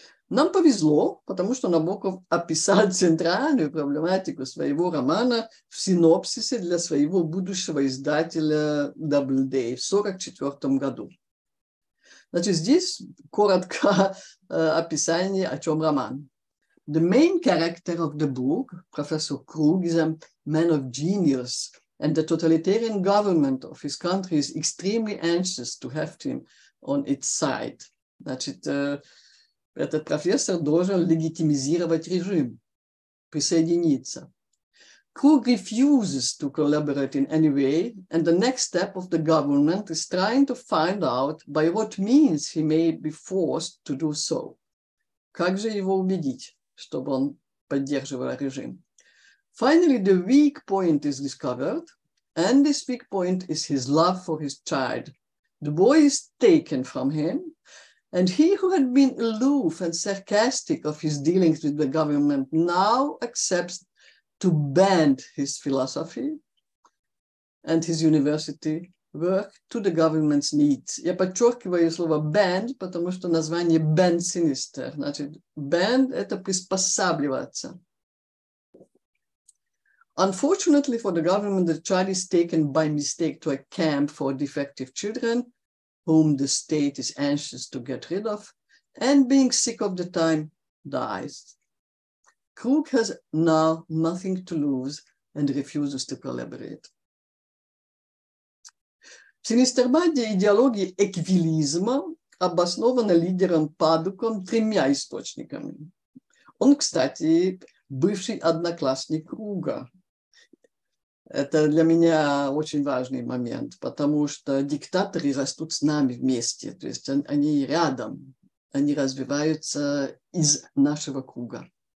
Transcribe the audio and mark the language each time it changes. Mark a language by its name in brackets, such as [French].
[Russian] Нам повезло, потому что Набоков описал центральную проблематику своего романа в синопсисе для своего будущего издателя Doubleday в 1944 году. Значит, здесь коротко описание, о чем роман. [English] «The main character of the book, Professor Krug, is a man of genius, and the totalitarian government of his country is extremely anxious to have him on its side». [Russian] Значит, этот профессор должен легитимизировать режим, присоединиться. [English] who refuses to collaborate in any way, and the next step of the government is trying to find out by what means he may be forced to do so. [Russian] Как же его убедить, чтобы он поддерживал режим? [English] Finally, the weak point is discovered, and this weak point is his love for his child. The boy is taken from him, and he who had been aloof and sarcastic of his dealings with the government now accepts to bend his philosophy and his university work to the government's needs. [Russian] Я подчеркиваю слово bend, потому что название bend sinister. Значит, bend – это приспосабливаться. [English] Unfortunately for the government, the child is taken by mistake to a camp for defective children, whom the state is anxious to get rid of, and being sick of the time, dies. Krug has now nothing to lose and refuses to collaborate. [Russian] В Синистербаде идеологии эквилизма обоснована лидером Падуком тремя источниками. Он, кстати, бывший одноклассник Круга. Это для меня очень важный момент, потому что диктаторы растут с нами вместе, то есть они рядом, они развиваются из нашего круга.